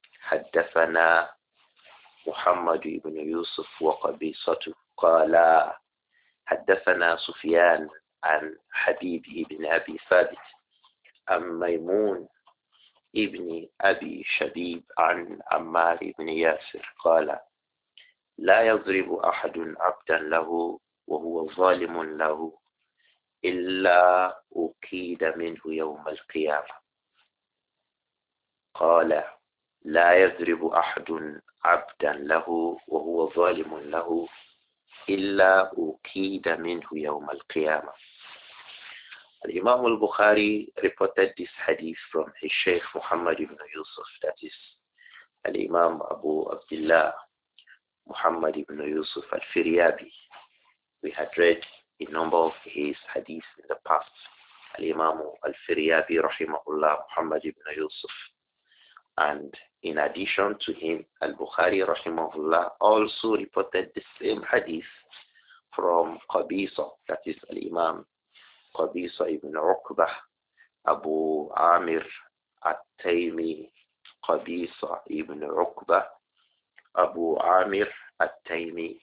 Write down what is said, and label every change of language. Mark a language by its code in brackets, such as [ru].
[ar] Haddathana محمد بن يوسف وقبيصته قال حدثنا سفيان عن حبيبه بن أبي ثابت عن ميمون ابن أبي شبيب عن عمار بن ياسر قال لا يضرب أحد عبدا له وهو ظالم له إلا أكيد منه يوم القيامة قال لا يضرب أحد عبدا له وهو ظالم له إلا أكيد منه يوم القيامة. الإمام البخاري [en] reported this hadith from his Sheikh Muhammad ibn Yusuf, that is [ar] الإمام أبو عبد الله محمد [en] ibn Yusuf al-Firyabi. We had read a number of his hadith in the past. [ar] الإمام al-Firyabi رحمه الله محمد ibn Yusuf. [en] And in addition to him, Al-Bukhari rahimahullah also reported the same hadith from Qabisa, that is Al-Imam Qabisa ibn Uqbah, Abu Amir At-Taymi, Qabisa ibn Uqbah, Abu Amir At-Taymi.